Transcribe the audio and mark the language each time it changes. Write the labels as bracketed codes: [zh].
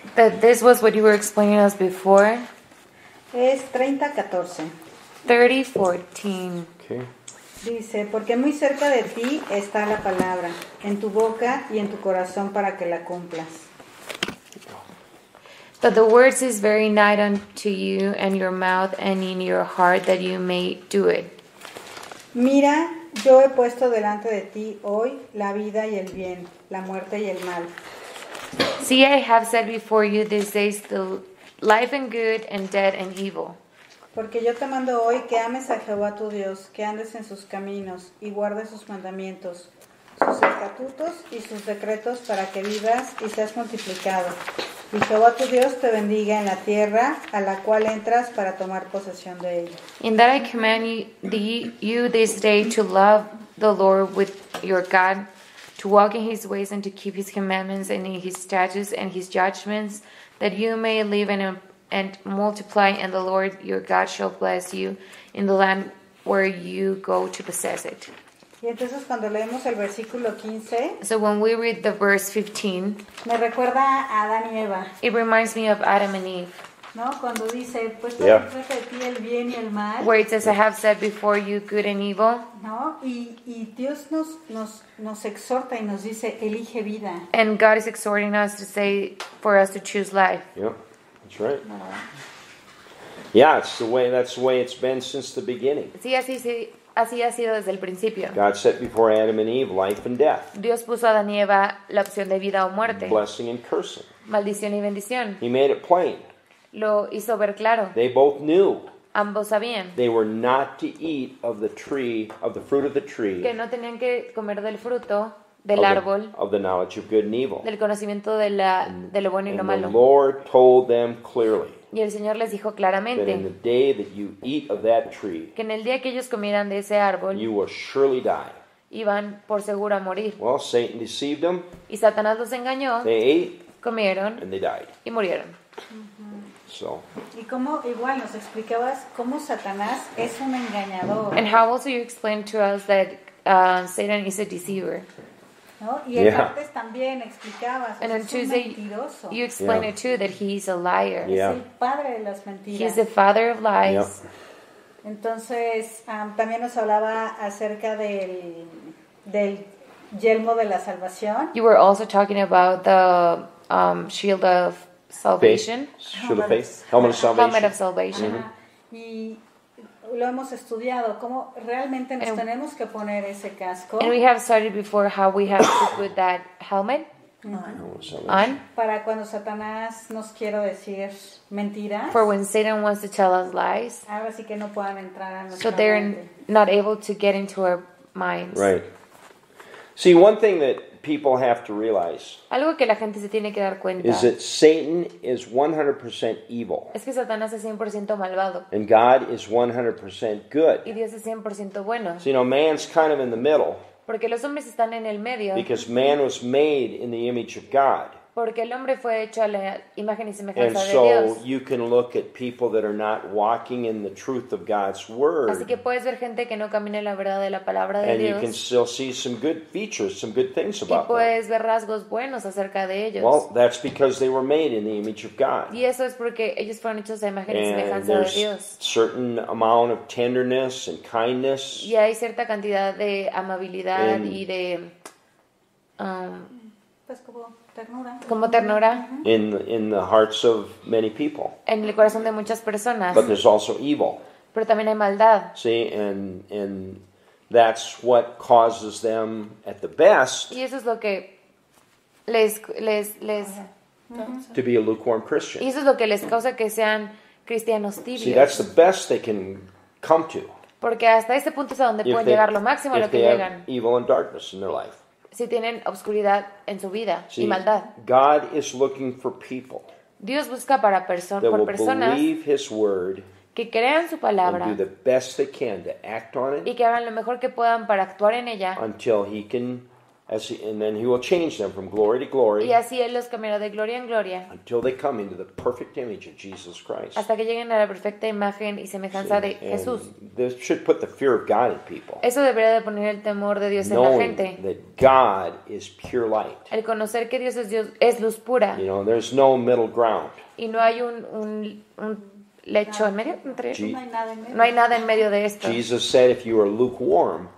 [en] That this was what you were explaining us before. [es] Es 30:14. 30:14. Dice, porque muy cerca de ti está la palabra, en tu boca y en tu corazón para que la cumplas. [en] But the words is very nigh unto you and your mouth and in your heart that you may do it. [es] Mira, yo he puesto delante de ti hoy la vida y el bien, la muerte y el mal. [en] See, I have set before you this day the life and good and death and evil. [es] Porque yo te mando hoy que ames a Jehová tu Dios, que andes en sus caminos y guardes sus mandamientos, sus estatutos y sus decretos para que vivas y seas multiplicado. Y Jehová tu Dios te bendiga en la tierra a la cual entras para tomar posesión de ella. [en] In that I command you this day to love the Lord with your God, to walk in his ways and to keep his commandments and in his statutes and his judgments, that you may live and multiply, and the Lord your God shall bless you in the land where you go to possess it. [es] Y entonces cuando leemos el versículo 15, [en] so when we read the verse 15, [es] me recuerda a Adán y Eva. [en] It reminds me of Adam and Eve. [es] No, cuando dice, pues tú has puesto de ti el bien y el mal. [en] Where it says, I have said before you good and evil. [es] No, y Dios nos exhorta y nos dice, elige vida. [en] And God is exhorting us to say, for us to choose life. Yeah, that's right. No. Yeah, that's the way it's been since the beginning. [es] Sí, así sí. Así ha sido desde el principio. [en] God set before Adam and Eve life and death. [es] Dios puso a Adán y Eva la opción de vida o muerte. [en] Blessing and cursing. [es] Maldición y bendición. [en] He made it plain. [es] Lo hizo ver claro. [en] They both knew. [es] Ambos sabían. [en] They were not to eat of the tree, of the fruit of the tree. [es] Que no tenían que comer del fruto del árbol. [en] Of the knowledge of good and evil. [es] Del conocimiento de lo bueno y lo malo. [en] The Lord told them clearly. [es] Y el Señor les dijo claramente [en] tree, [es] que en el día que ellos comieran de ese árbol, [en] you will surely die. [es] Iban por seguro a morir. [en] Well, Satan deceived them, [es] y Satanás los engañó. [en] They ate, [es] comieron [en] and they died. [es] Y murieron. [en] So. [es] Y cómo igual nos explicabas cómo Satanás es un engañador. [en] And how also you explained to us that Satan is a deceiver. [es] ¿No? Y el martes también explicabas, o sea, es un mentiroso. [en] You explained it too, that he is a liar. [es] Yeah. Es el padre de las mentiras. [en] He is the father of lies. Yeah. [es] Entonces, también nos hablaba acerca del yelmo de la salvación. [en] You were also talking about the shield of salvation. Face. Shield of face. Helmet of salvation. Helmet of salvation. Uh-huh. [es] Y lo hemos estudiado, cómo realmente nos tenemos que poner ese casco. [en] And we have studied before how we have to put that helmet [es] on. Para cuando Satanás nos quiere decir mentiras. [en] For when Satan wants to tell us lies. [es] Ahora sí que no puedan entrar a nuestra mente. [en] So they're not able to get into our minds. Right. See, one thing that people have to realize. [es] Algo que la gente se tiene que dar cuenta. [en] Is that Satan is 100% evil. [es] Es que Satanás es 100% malvado. [en] And God is 100% good. [es] Y Dios es 100% bueno. [en] So, you know, man's kind of in the middle. [es] Porque los hombres están en el medio. [en] Because man was made in the image of God. [es] Porque el hombre fue hecho a la imagen y semejanza [en] and [es] de [en] so [es] Dios. [en] And so you can look at people that are not walking in the truth of God's word. [es] Así que puedes ver gente que no camina en la verdad de la palabra de [en] and [es] Dios. [en] And you can still see some good features, some good things about them. [es] Y puedes [en] them. [es] Ver rasgos buenos acerca de ellos. [en] Well, that's because they were made in the image of God. [es] Y eso es porque ellos fueron hechos a imagen y semejanza de Dios. [en] And there's certain amount of tenderness and kindness. [es] Y hay cierta cantidad de amabilidad [en] and, [es] y de pues como ternura. Como ternura. [en] In the hearts of many people. [es] En el corazón de muchas personas. [en] But there's also evil. [es] Pero también hay maldad. [en] See, and that's what causes them at the best. [es] Y eso es lo que les [en] to be a lukewarm Christian. [es] Y eso es lo que les causa que sean cristianos tibios. [en] See, that's the best they can come to. [es] Porque hasta ese punto es a donde pueden llegar lo máximo a lo que llegan. [en] If they have evil and darkness in their life. [es] Si tienen obscuridad en su vida. [en] See, [es] y maldad. [en] God is looking for people. [es] Dios busca para personas [en] believe his word [es] que crean su palabra [en] and do the best they can to act on it [es] y que hagan lo mejor que puedan para actuar en ella. [en] Until he can, as he, and then he will change them from glory to glory. [es] Y así él los cambiará de gloria en gloria. [en] Until they come into the perfect image of Jesus Christ. [es] Hasta que lleguen a la perfecta imagen y semejanza [en] see, [es] de Jesús. [en] This should put the fear of God in people. [es] Eso debería de poner el temor de Dios [en] knowing [es] en la gente. [en] Knowing that God is pure light. [es] El conocer que Dios es luz pura. [en] You know, there's no middle ground. [es] Y no hay un lecho en medio entre no hay nada en medio. No hay nada en medio de esto. [en] Jesus said if you are lukewarm.